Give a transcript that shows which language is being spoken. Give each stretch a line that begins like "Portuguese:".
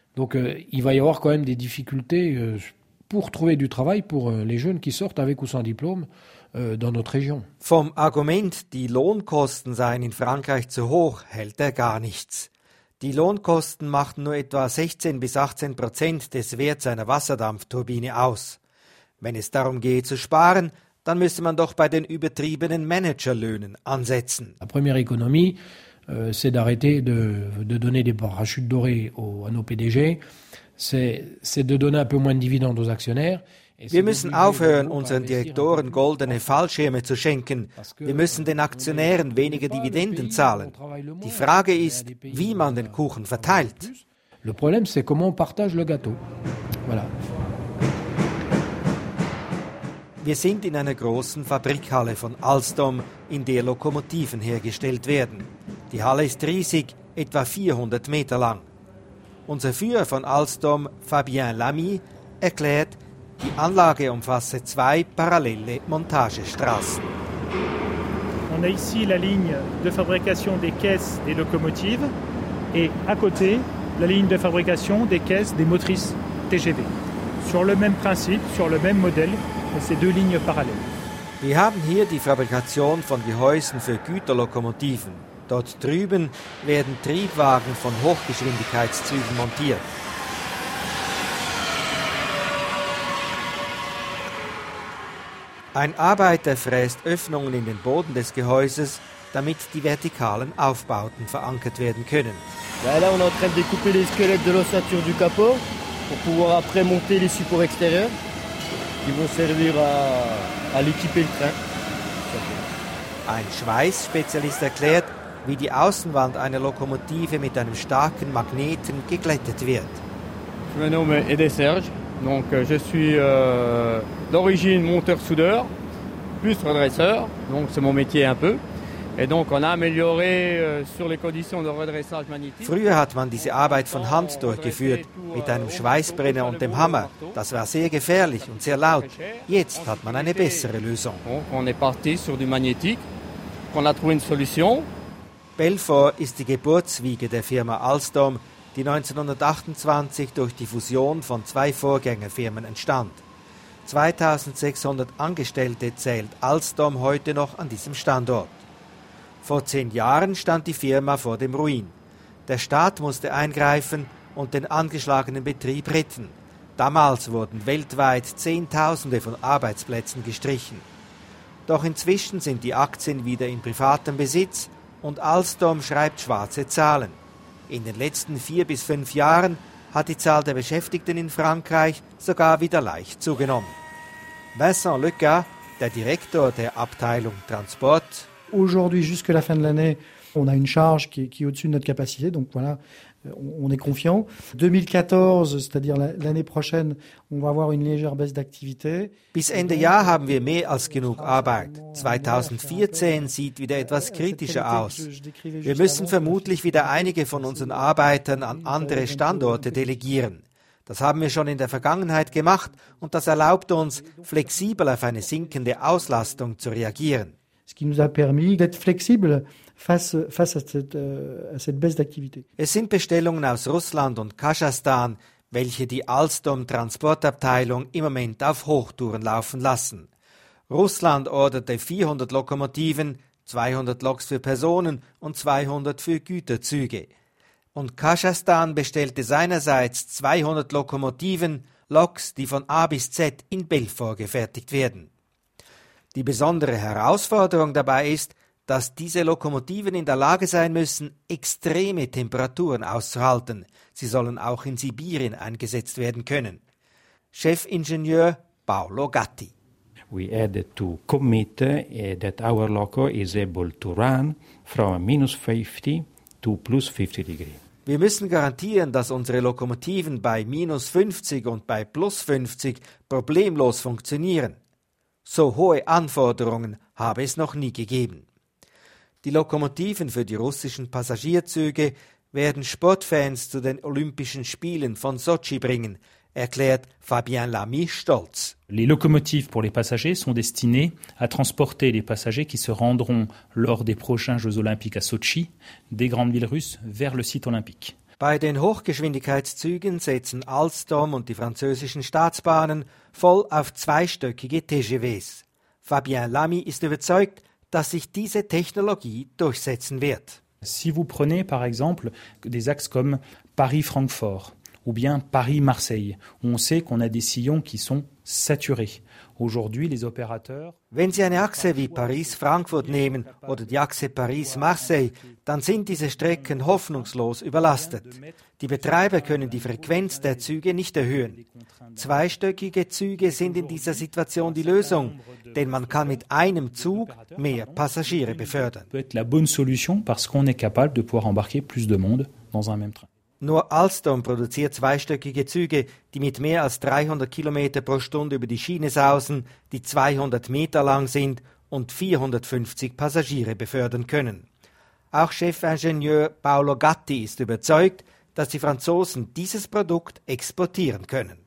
French: Donc, il va y avoir quand même des difficultés pour trouver du travail pour les jeunes qui sortent avec ou sans diplôme. Dans notre région.
German: Vom Argument, die Lohnkosten seien in Frankreich zu hoch, hält er gar nichts. Die Lohnkosten machten nur etwa 16-18% des Werts einer Wasserdampfturbine aus. Wenn es darum gehe zu sparen, dann müsste man doch bei den übertriebenen Managerlöhnen ansetzen.
French: La première économie, c'est d'arrêter de donner des parachutes dorés à nos PDG, c'est de donner un peu moins de dividendes aux actionnaires.
German: Wir müssen aufhören, unseren Direktoren goldene Fallschirme zu schenken. Wir müssen den Aktionären weniger Dividenden zahlen. Die Frage ist, wie man den Kuchen verteilt.
French: Le problème, c'est comment on partage le gâteau. Voilà.
German: Wir sind in einer großen Fabrikhalle von Alstom, in der Lokomotiven hergestellt werden. Die Halle ist riesig, etwa 400 Meter lang. Unser Führer von Alstom, Fabien Lamy, erklärt, die Anlage umfasse zwei parallele Montagestraßen.
French: On a ici la ligne de fabrication des caisses des locomotives et à côté la ligne de fabrication des caisses des motrices TGV. Sur le même principe, sur le même modèle, ces deux lignes parallèles.
German: Wir haben hier die Fabrikation von Gehäusen für Güterlokomotiven. Dort drüben werden Triebwagen von Hochgeschwindigkeitszügen montiert. Ein Arbeiter fräst Öffnungen in den Boden des Gehäuses, damit die vertikalen Aufbauten verankert werden können.
French: Là, on est en train de découper les squelettes de l'ossature du capot pour pouvoir après monter les supports extérieurs qui vont servir à l'équiper le train.
German: Ein Schweißspezialist erklärt, wie die Außenwand einer Lokomotive mit einem starken Magneten geglättet wird. Mein Name ist Serge.
French: Donc je suis d'origine monteur-soudeur, plus redresseur, donc c'est mon métier un peu. Et donc on a amélioré sur les conditions de redressage magnétique.
German: Früher hat man diese Arbeit von Hand durchgeführt, mit einem Schweißbrenner und dem Hammer. Das war sehr gefährlich und sehr laut. Jetzt hat man eine bessere Lösung.
French: Donc on est parti sur du magnétique, qu'on a trouvé une solution.
German: Belfort ist die Geburtswiege der Firma Alstom, die 1928 durch die Fusion von zwei Vorgängerfirmen entstand. 2600 Angestellte zählt Alstom heute noch an diesem Standort. Vor 10 Jahren stand die Firma vor dem Ruin. Der Staat musste eingreifen und den angeschlagenen Betrieb retten. Damals wurden weltweit Zehntausende von Arbeitsplätzen gestrichen. Doch inzwischen sind die Aktien wieder in privatem Besitz und Alstom schreibt schwarze Zahlen. In den letzten 4 bis 5 Jahren hat die Zahl der Beschäftigten in Frankreich sogar wieder leicht zugenommen. Vincent Lecas, der Direktor der Abteilung Transport.
French: Aujourd'hui, jusqu'à la fin de l'année, on a une charge qui est au-dessus de notre capacité, donc voilà, on est confiant. 2014, c'est-à-dire l'année prochaine, on va avoir une légère baisse d'activité.
German: Bis Ende Jahr haben wir mehr als genug Arbeit. 2014 sieht wieder etwas kritischer aus. Wir müssen vermutlich wieder einige von unseren Arbeitern an andere Standorte delegieren. Das haben wir schon in der Vergangenheit gemacht und das erlaubt uns, flexibel auf eine sinkende Auslastung zu reagieren.
French: Ce qui nous a permis d'être flexible face à cette baisse d'activité.
German: Es sind Bestellungen aus Russland und Kasachstan, welche die Alstom Transportabteilung im Moment auf Hochtouren laufen lassen. Russland orderte 400 Lokomotiven, 200 Loks für Personen und 200 für Güterzüge. Und Kasachstan bestellte seinerseits 200 Lokomotiven, Loks, die von A bis Z in Belfort gefertigt werden. Die besondere Herausforderung dabei ist, dass diese Lokomotiven in der Lage sein müssen, extreme Temperaturen auszuhalten. Sie sollen auch in Sibirien eingesetzt werden können. Chefingenieur Paolo Gatti.
English: We had to commit that our loco is able to run from minus 50 to plus 50 degrees.
German: Wir müssen garantieren, dass unsere Lokomotiven bei minus 50 und bei plus 50 problemlos funktionieren. So hohe Anforderungen habe es noch nie gegeben. Die Lokomotiven für die russischen Passagierzüge werden Sportfans zu den Olympischen Spielen von Sochi bringen, erklärt Fabien Lamy stolz.
French: Les locomotives pour les passagers sont destinées à transporter les passagers qui se rendront lors des prochains Jeux olympiques à Sochi des grandes villes russes vers le site olympique.
German: Bei den Hochgeschwindigkeitszügen setzen Alstom und die französischen Staatsbahnen voll auf zweistöckige TGVs. Fabien Lamy ist überzeugt, dass sich diese Technologie durchsetzen wird.
French: Si vous prenez par exemple des axes comme Paris-Francfort ou bien Paris-Marseille, on sait qu'on a des sillons qui sont saturés. Aujourd'hui, les opérateurs.
German: Wenn Sie eine Achse wie Paris-Frankfurt nehmen oder die Achse Paris-Marseille, dann sind diese Strecken hoffnungslos überlastet. Die Betreiber können die Frequenz der Züge nicht erhöhen. Zweistöckige Züge sind in dieser Situation die Lösung, denn man kann mit einem Zug mehr Passagiere befördern.
French: Peut être la bonne solution parce qu'on est capable de pouvoir embarquer plus de monde dans un même train.
German: Nur Alstom produziert zweistöckige Züge, die mit mehr als 300 km pro Stunde über die Schiene sausen, die 200 Meter lang sind und 450 Passagiere befördern können. Auch Chefingenieur Paolo Gatti ist überzeugt, dass die Franzosen dieses Produkt exportieren können.